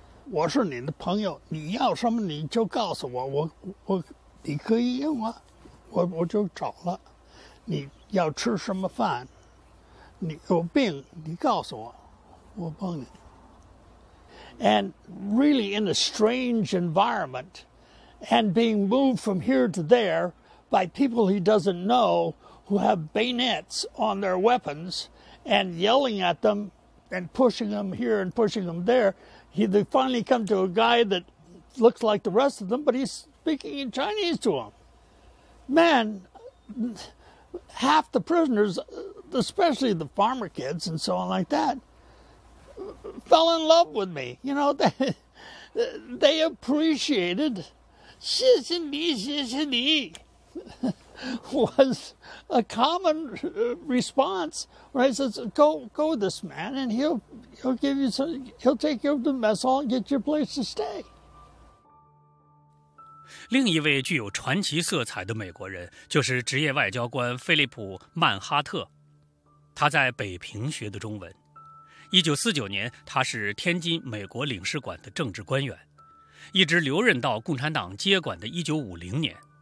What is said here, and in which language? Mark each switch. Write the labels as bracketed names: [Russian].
[Chinese] 我是你的朋友，你要什么你就告诉我，我你可以用啊，我就找了。你要吃什么饭？你有病你告诉我，我帮你。 [English] And really in a strange environment, and being moved from here to there by people he doesn't know who have bayonets on their weapons and yelling at them and pushing them here and pushing them there, they finally come to a guy that looks like the rest of them, but he's speaking in Chinese to him. Man, half the prisoners, especially the farmer kids and so on like that,fell in love with me, you know, they appreciated [Chinese] 谢谢你谢谢你 [English] was a common response, right? Says, go with this man and he'll give you some, he'll take you to the mess hall and get your place to stay. [Chinese] 另一位具有传奇色彩的美国人就是职业外交官菲利普·曼哈特，他在北平学的中文。 1949年，他是天津美国领事馆的政治官员，一直留任到共产党接管的1950年。